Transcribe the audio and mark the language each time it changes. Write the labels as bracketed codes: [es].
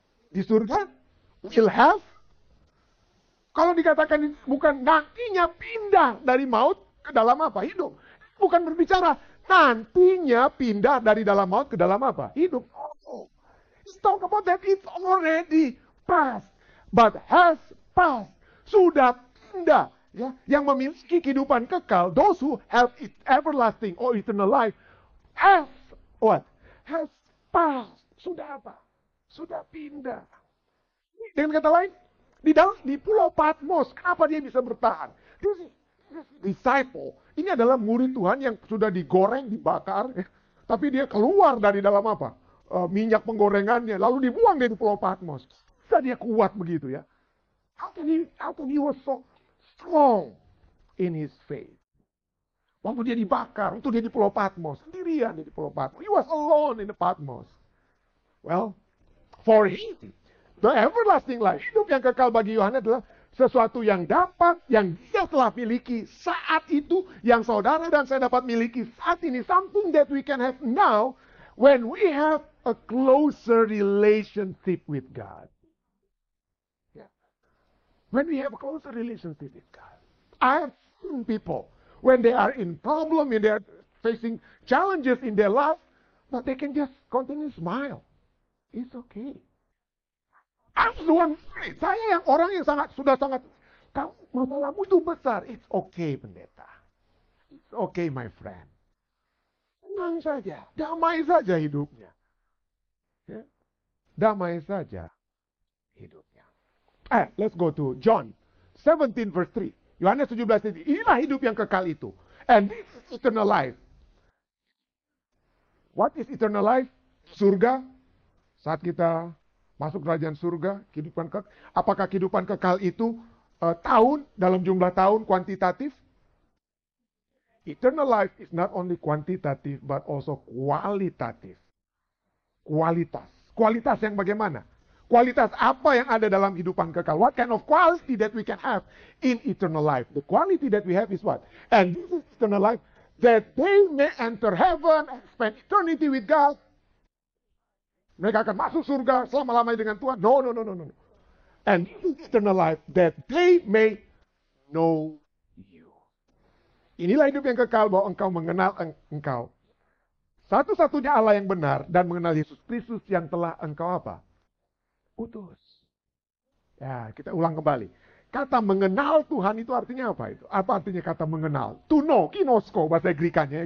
[id] Di surga? [en] Will have? [id] Kalau dikatakan bukan nantinya pindah dari maut ke dalam apa? Hidup. Bukan berbicara nantinya pindah dari dalam maut ke dalam apa? Hidup. [en] It's talk about that it's already past, but has passed. [id] Sudah pindah. Ya. Yang memiliki kehidupan kekal, [en] those who have it everlasting or eternal life, has what? Has passed. [id] Sudah apa? Sudah pindah. Dengan kata lain, di dalam di Pulau Patmos, kenapa dia bisa bertahan? [en] This disciple. [id] Ini adalah murid Tuhan yang sudah digoreng, dibakar, ya. Tapi dia keluar dari dalam apa? Minyak penggorengannya, lalu dibuang dari Pulau Patmos. Bisa dia kuat begitu ya? [en] How can he was so strong in his faith? [id] Waktu dia dibakar, waktu dia di Pulau Patmos, sendirian dia di Pulau Patmos. [en] He was alone in the Patmos. Well, for him, the everlasting life, [id] hidup yang kekal bagi Yohanes adalah sesuatu yang dapat, yang dia telah miliki saat itu, yang saudara dan saya dapat miliki saat ini, [en] something that we can have now, when we have a closer relationship with God. Yeah. When we have a closer relationship with God. I have seen people, when they are in problem, when they are facing challenges in their life, but they can just continue to smile. It's okay. I'm the one afraid. [id] Saya yang orang yang sangat sudah sangat kamu masalahmu itu besar. [en] It's okay, pendeta. It's okay, my friend. [id] Tenang saja, damai saja hidupnya. Ya. Damai saja hidupnya. [en] Let's go to John 17 verse 3. [id] Yohanes 17 ini. Inilah hidup yang kekal itu. [en] And this is eternal life. What is eternal life? [id] Surga. Saat kita masuk kerajaan surga, kehidupan kekal. Apakah kehidupan kekal itu tahun, dalam jumlah tahun, kuantitatif? [en] Eternal life is not only quantitative, but also kualitatif. [id] Kualitas. Kualitas yang bagaimana? Kualitas apa yang ada dalam kehidupan kekal? [en] What kind of quality that we can have in eternal life? The quality that we have is what? And this is eternal life, that they may enter heaven and spend eternity with God. [id] Mereka akan masuk surga selama-lamanya dengan Tuhan. No. [en] And eternal life, that they may know you. [id] Inilah hidup yang kekal, bahwa engkau mengenal engkau. Satu-satunya Allah yang benar, dan mengenal Yesus Kristus yang telah engkau apa? Utus. Ya, kita ulang kembali. Kata mengenal Tuhan itu artinya apa itu? Apa artinya kata mengenal? [en] To know, [id] kinosko, bahasa Greek-annya.